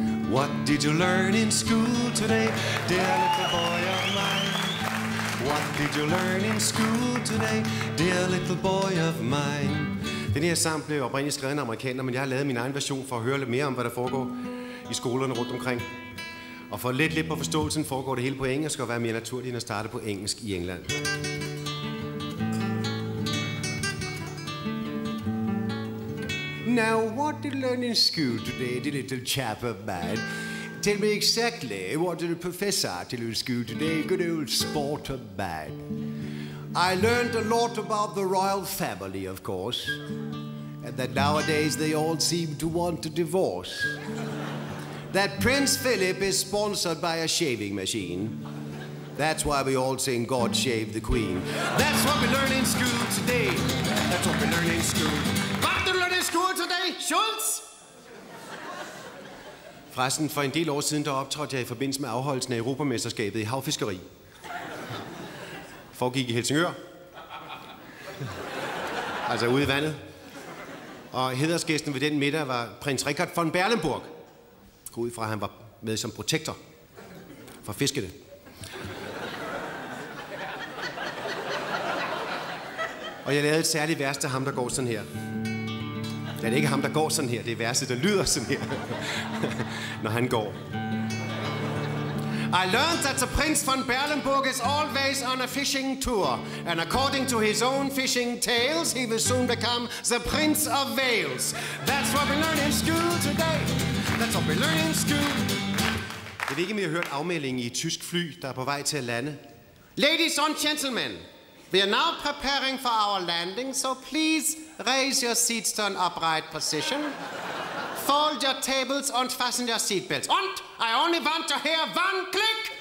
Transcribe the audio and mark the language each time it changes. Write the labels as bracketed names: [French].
[English] What did you learn in school today, dear little boy of mine? What did you learn in school today, dear little boy of mine? [Danish] Den her sang blev oprindeligt skrevet af en amerikaner, men jeg har lavet min egen version for at høre lidt mere om, hvad der foregår i skolerne rundt omkring. Og for lidt på forståelsen foregår det hele på engelsk og være mere naturligt end at starte på engelsk i England. [English] Now, what did you learn in school today, dear little chap of mine? Tell me exactly, what did the professor tell you in school today, good old sport of mine? I learned a lot about the royal family, of course, and that nowadays they all seem to want a divorce. That Prince Philip is sponsored by a shaving machine. That's why we all sing God Save the Queen. That's what we learn in school today. That's what we learn in school. What did you learn in school today, Schultz? [Danish] Forresten, for en del år siden, der optrådte jeg i forbindelse med afholdelsen af Europamesterskabet i havfiskeri. Foregik i Helsingør. Altså ude i vandet. Og hædersgæsten ved den middag var prins Richard von Berlenburg. Gå ud fra, han var med som protektor for fiskene. Og jeg lavede et særligt vers til ham, der går sådan her. Ja, det er ikke ham, der går sådan her. Det er verset, der lyder sådan her, når han går. I learned that the Prince von Berlenburg is always on a fishing tour. And according to his own fishing tales, he will soon become the Prince of Wales. That's what we learn in school today. That's what we learn in school. Jeg ved ikke, om I har hørt afmeldingen i et tysk fly, der er på vej til at lande. [English] Ladies and gentlemen, we are now preparing for our landing, so please raise your seats to an upright position. Fold your tables and fasten your seatbelts. And I only want to hear one click.